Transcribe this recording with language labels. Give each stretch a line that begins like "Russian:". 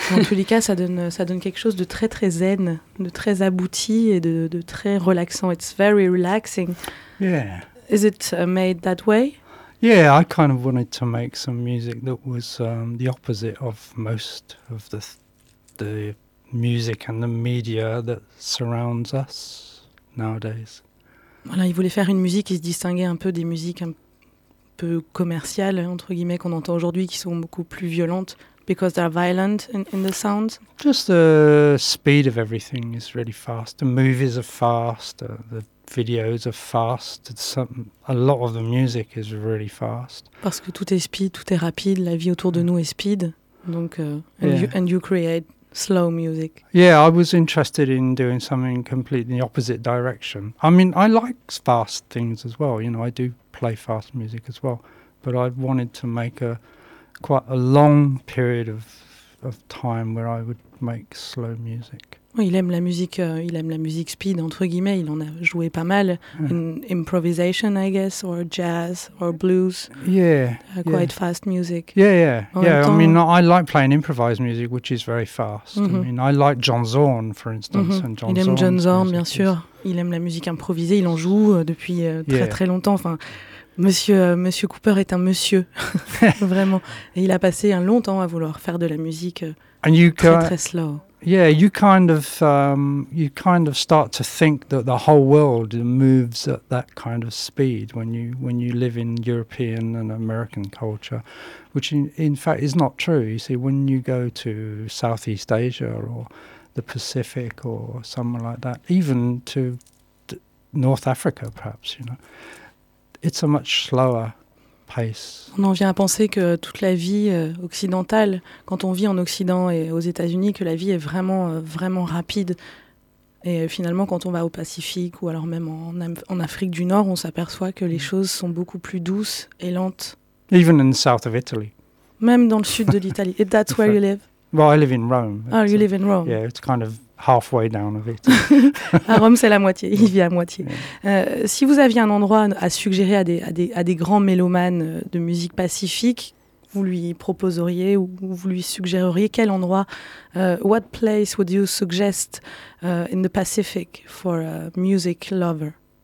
French: En tous les cas, ça donne quelque chose de très très zen, de très abouti et de très relaxant.
English: It's very relaxing. Yeah. Is it made that way? Yeah, I kind of wanted to make some music that was the opposite of most of the music and the media that surrounds us nowadays.
French: Voilà, il voulait faire une musique qui se distinguait un peu des musiques un peu commerciales entre guillemets qu'on entend aujourd'hui, qui sont beaucoup plus violentes.
English: Because they're violent in the sound? Just the speed of everything is really fast. The movies are fast, the videos are fast. A lot of the music is really fast.
French: Parce que tout est speed, tout est rapide, la vie autour de nous est speed.
English: Donc, you create slow music. Yeah, I was interested in doing something completely in the opposite direction. I mean, I like fast things as well. You know, I do play fast music as well. But I wanted to make quite a long period of time where I would make slow music.
French: Oui, il aime la musique speed entre guillemets, il en a joué pas mal.
English: Yeah. In improvisation, I guess, or jazz or blues. Yeah. Quite fast music. Yeah, yeah. I mean, I like playing improvised music, which is very fast. Mm-hmm. I mean, I like John Zorn, for instance, mm-hmm. and John
French: Zorn. Il aime John Zorn, bien sûr. Il aime la musique improvisée, il en joue depuis très très longtemps, enfin Monsieur Cooper est un monsieur, vraiment. Et il a passé un long temps à vouloir faire de la musique très slow.
English: Yeah, you kind of start to think that the whole world moves at that kind of speed when you live in European and American culture, which in fact is not true. You see, when you go to Southeast Asia or the Pacific or somewhere like that, even to North Africa, perhaps, you know. It's a much slower pace.
French: On en vient à penser que toute la vie occidentale, quand on vit en Occident et aux États-Unis, que la vie est vraiment, vraiment rapide. Et finalement, quand on va au Pacifique ou alors même en Afrique du Nord, on s'aperçoit que les choses sont beaucoup plus douces et lentes.
English: Even in the south of Italy.
French: Même dans le sud de l'Italie.
English: And that's where you live? Well, I live in Rome. Oh, you live in Rome. Yeah, it's kind of halfway down of it.
French: À Rome, c'est la moitié. Il vit à moitié. Yeah. Si vous aviez un endroit à suggérer à des grands mélomanes de musique pacifique, vous lui proposeriez ou vous lui suggéreriez quel endroit?
English: What place would you suggest in the Pacific for a music lover?